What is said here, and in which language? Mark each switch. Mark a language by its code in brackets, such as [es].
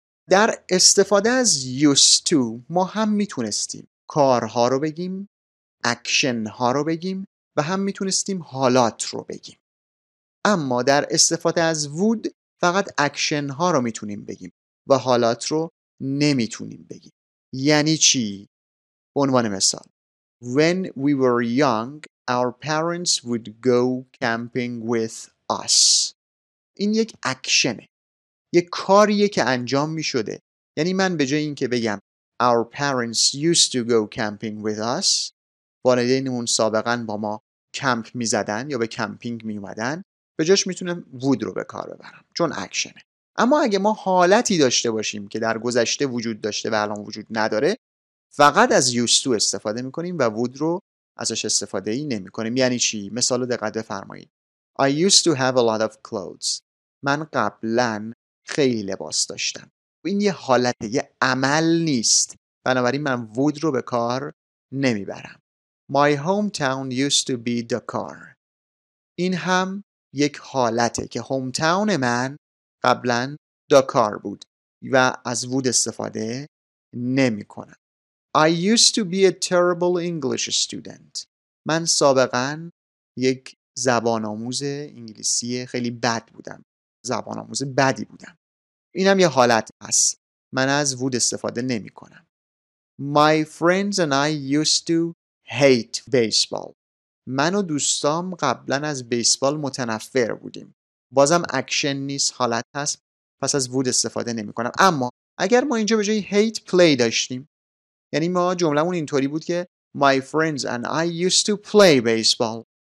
[fa] در استفاده از used to ما هم میتونستیم کارها رو بگیم، اکشنها رو بگیم و هم میتونستیم حالات رو بگیم، اما در استفاده از would فقط اکشنها رو میتونیم بگیم و حالات رو نمیتونیم بگیم. یعنی چی؟ به عنوان مثال [en] When we were young our parents would go camping with us. [fa] این یک اکشنه، یک کاریه که انجام می شده. یعنی من به جای این که بگم [en] Our parents used to go camping with us، [fa] والدینمون سابقا با ما کمپ می زدن یا به کمپینگ می اومدن، به جاش می تونم would رو به کار ببرم چون اکشنه. اما اگه ما حالتی داشته باشیم که در گذشته وجود داشته و الان وجود نداره، فقط از used to استفاده میکنیم و would رو ازش استفاده ای نمیکنیم. یعنی چی؟ مثال رو دقت بفرمایید. [en] I used to have a lot of clothes. [fa] من قبلن خیلی لباس داشتم. این یه حالت، یه عمل نیست. بنابراین من would رو به کار نمیبرم. [en] My hometown used to be Dakar. [fa] این هم یک حالته که hometown من قبلا داکار بود و از وود استفاده نمی کنم. [en] I used to be a terrible English student. [fa] من سابقا یک زبان آموز انگلیسی خیلی بد بودم. زبان آموز بدی بودم. اینم یه حالت است. من از وود استفاده نمی کنم. [en] My friends and I used to hate baseball. [fa] من و دوستام قبلا از بیسبال متنفر بودیم. بازم اکشن نیست، حالت هست، پس از would استفاده نمی کنم. اما اگر ما اینجا به جای hate play داشتیم، یعنی ما جملمون اینطوری بود که [en] My friends and I used to play baseball.